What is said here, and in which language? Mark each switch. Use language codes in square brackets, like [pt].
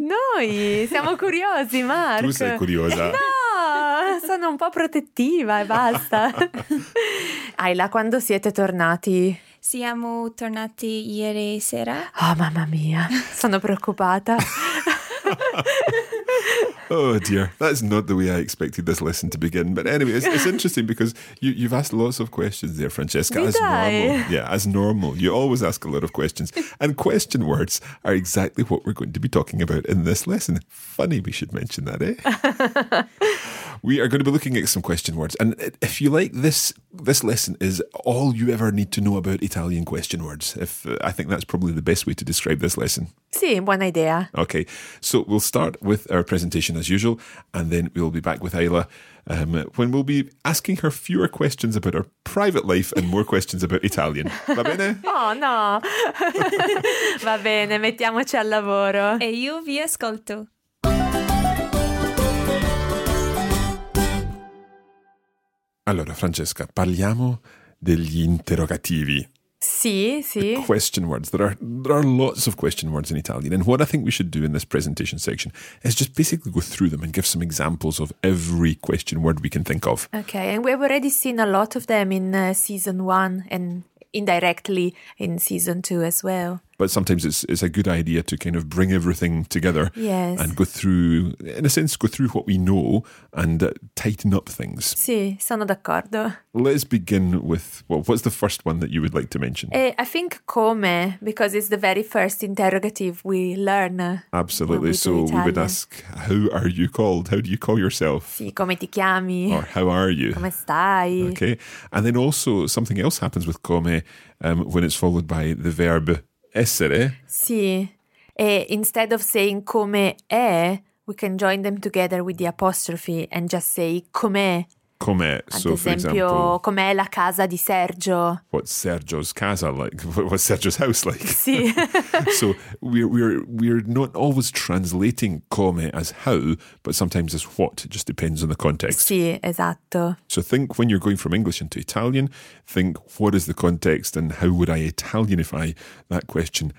[it] Noi siamo curiosi, Mark. Tu sei curiosa. No, sono un po' protettiva e basta. Ayla, quando siete tornati? Siamo tornati ieri sera. Oh, mamma mia, sono preoccupata. [en] Oh dear, that's not the way I expected this lesson to begin. But anyway, it's interesting because you've asked lots of questions there, Francesca. Did as I? Normal. Yeah, as normal. You always ask a lot of questions. And question words are exactly what we're going to be talking about in this lesson. Funny we should mention that, eh? We are going to be looking at some question words. And if you like, this lesson is all you ever need to know about Italian question words. I think that's probably the best way to describe this lesson. [it] Sì, buona idea. [en] Okay, so we'll start with our presentation as usual, and then we'll be back with Ayla when we'll be asking her fewer questions about her private life and more questions about Italian. [it] Va bene? [en] Oh no! [it] Va bene, mettiamoci al lavoro. E io vi ascolto. Allora, Francesca, parliamo degli interrogativi. Sì, sì. [en] The question words. There are lots of question words in Italian. And what I think we should do in this presentation section is just basically go through them and give some examples of every question word we can think of. Okay, and we've already seen a lot of them in season one and indirectly in season two as well. But sometimes it's a good idea to kind of bring everything together. Yes. And go through, in a sense, go through what we know and tighten up things. [it] Sì, sono d'accordo. [en] Let's begin with, what's the first one that you would like to mention? I think come, because it's the very first interrogative we learn. Absolutely. So we would ask, how are you called? How do you call yourself? [it] Sì, come ti chiami? [en] Or how are you? [it] Come stai? [en] Okay. And then also something else happens with come when it's followed by the verb essere. Sì. E instead of saying come è, we can join them together with the apostrophe and just say com'è. Com'è. So, for example, [it] com'è la casa di Sergio? [en] What's Sergio's casa like? What's Sergio's house like? [it] Sì. [en] So we're not always translating come as how, but sometimes as what. It just depends on the context. [it] Sì, esatto. [en] So think when you're going from English into Italian, think what is the context and how would I Italianify that question?